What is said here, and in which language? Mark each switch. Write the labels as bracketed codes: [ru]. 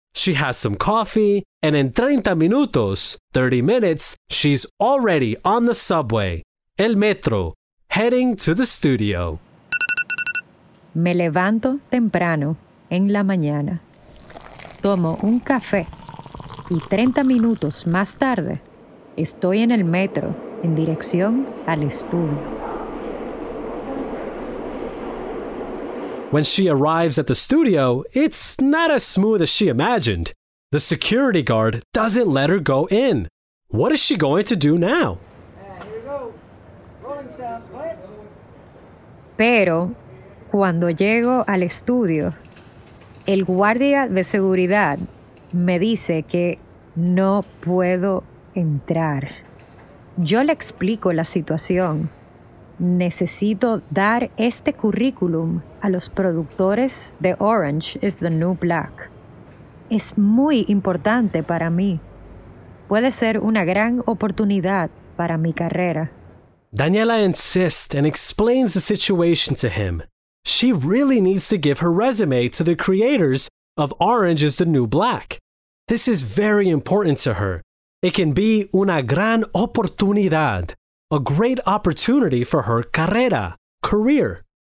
[en] She has some coffee, and in 30 minutos, 30 minutes, she's already on the subway, [es] el metro, [en] heading to the studio. [es] Me levanto temprano en la mañana. Tomo un café, y 30 minutos más tarde, estoy en el metro en dirección al estudio. [en] When she arrives at the studio, it's not as smooth as she imagined. The security guard doesn't let her go in. What is she going to do now? [es] Pero cuando llego al estudio, el guardia de seguridad me dice que no puedo entrar. Yo le explico la situación. Necesito dar este currículum a los productores de Orange is the New Black. es muy importante para mí. Puede ser una gran oportunidad para mi carrera. [en] Daniela insists and explains the situation to him. She really needs to give her resume to the creators of Orange is the New Black. This is very important to her. It can be [es] una gran oportunidad, [en] a great opportunity for her [es] carrera, [en] career.